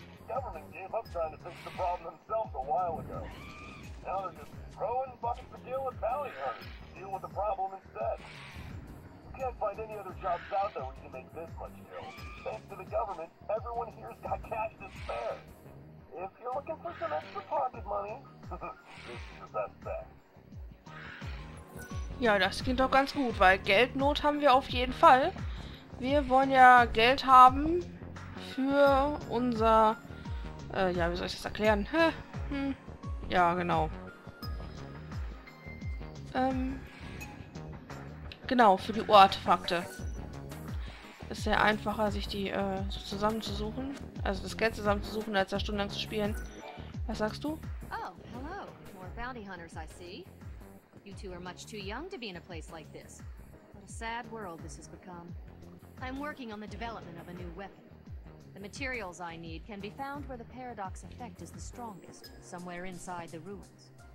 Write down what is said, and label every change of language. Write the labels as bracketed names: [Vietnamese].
[English] The government gave up trying to fix the problem themselves a while ago. Now they're just throwing buckets to deal with bounty hunters to deal with the problem instead. You can't find any other jobs out there where you can make this much kill. Thanks to the government, everyone here's got cash to spare. If you're looking for some extra pocket money, this is your best bet. [German] Ja, das klingt doch ganz gut, weil Geldnot haben wir auf jeden Fall. Wir wollen ja Geld haben für unser... ja, wie soll ich das erklären? Ja, genau. Genau, für die Urartefakte. Ist sehr einfacher, sich die zusammenzusuchen. Also das Geld zusammenzusuchen, als da stundenlang zu spielen. Was sagst du? [English] Oh, hallo. More bounty hunters, I see. You two are much too young to be in a place like this. What a sad world this has become. I'm working on the development of a new weapon. The materials I need can be found where the paradox effect is the strongest, somewhere inside the ruins.